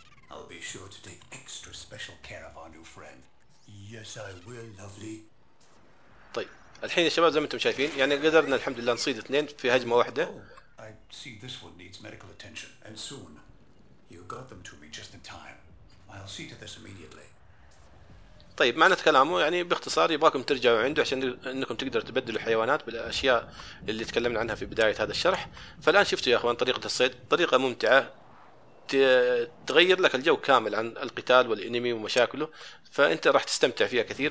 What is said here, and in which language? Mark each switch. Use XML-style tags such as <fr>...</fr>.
<en>I'll be sure to take extra special care of our new friend. Yes, I will, lovely.</en> <ar>طيب الحين يا شباب زي ما انتم شايفين يعني قدرنا الحمد لله نصيد اثنين في هجمة واحدة.</ar> <en>I see this one needs medical attention and soon. You got them to me just in time. I'll see to this immediately.</en> <ar>طيب معنى كلامه يعني باختصار يبغاكم ترجعوا عنده عشان انكم تقدروا تبدلوا الحيوانات بالاشياء اللي تكلمنا عنها في بداية هذا الشرح. فالان شفتوا يا اخوان طريقة الصيد، طريقة ممتعة تغير لك الجو كامل عن القتال والانمي ومشاكله، فانت راح تستمتع فيها كثير.</ar>